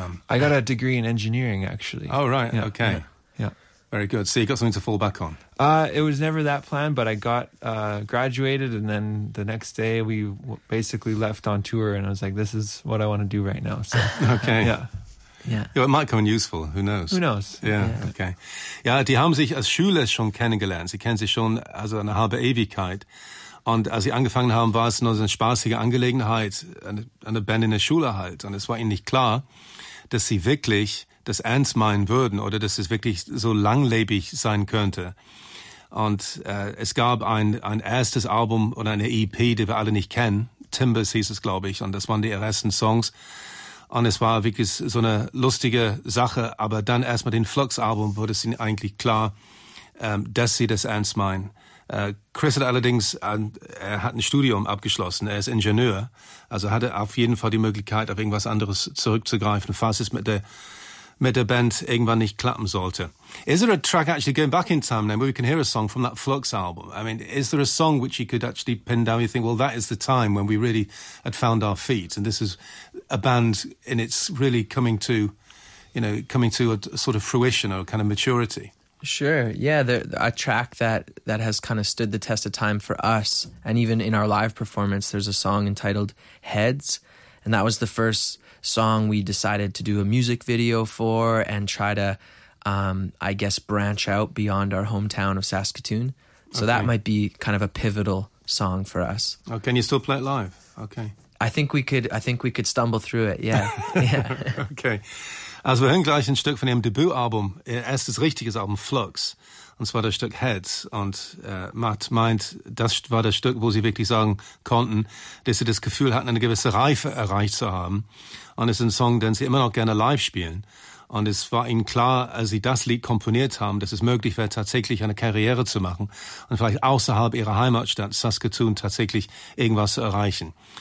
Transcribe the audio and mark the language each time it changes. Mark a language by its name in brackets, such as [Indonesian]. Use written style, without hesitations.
[English] I got a degree in engineering, actually. Oh, right, yeah. Okay. Yeah. Very good. So you got something to fall back on. It was never that plan, but I got graduated, and then the next day we basically left on tour, and I was like, this is what I want to do right now. So, okay. Yeah. It might come in useful. Who knows? Who knows? Yeah. Okay. [German] Ja, die haben sich als Schüler schon kennengelernt. Sie kennen sich schon also eine halbe Ewigkeit. Und als sie angefangen haben, war es nur so eine spaßige Angelegenheit, eine Band in der Schule halt. Und es war ihnen nicht klar, dass sie wirklich das ernst meinen würden oder dass es wirklich so langlebig sein könnte. Und es gab ein erstes Album und eine EP, die wir alle nicht kennen. Timbers hieß es, glaube ich. Und das waren die ersten Songs. Und es war wirklich so eine lustige Sache. Aber dann erst mal den Flux-Album wurde es ihnen eigentlich klar, dass sie das ernst meinen. Chris hat allerdings hat ein Studium abgeschlossen. Er ist Ingenieur. Also hatte auf jeden Fall die Möglichkeit, auf irgendwas anderes zurückzugreifen, falls es mit der Band irgendwann nicht klappen sollte. [English] Is there a track actually going back in time now where we can hear a song from that Flux album? I mean, is there a song which you could actually pin down? You think, well, that is the time when we really had found our feet, and this is a band, and it's really coming to, you know, coming to a sort of fruition or a kind of maturity. Sure, yeah, a track that has kind of stood the test of time for us, and even in our live performance, there's a song entitled Heads, and that was the first song we decided to do a music video for and try to, I guess, branch out beyond our hometown of Saskatoon. So that might be kind of a pivotal song for us. Oh, can you still play it live? Okay. I think we could stumble through it, yeah. Okay. [German] Also wir hören gleich ein Stück von ihrem Debütalbum, ihr erstes richtiges Album, Flux, und zwar das Stück Heads. Und Matt meint, das war das Stück, wo sie wirklich sagen konnten, dass sie das Gefühl hatten, eine gewisse Reife erreicht zu haben. Und es ist ein Song, den sie immer noch gerne live spielen. Und es war ihnen klar, als sie das Lied komponiert haben, dass es möglich wäre, tatsächlich eine Karriere zu machen und vielleicht außerhalb ihrer Heimatstadt Saskatoon tatsächlich irgendwas zu erreichen.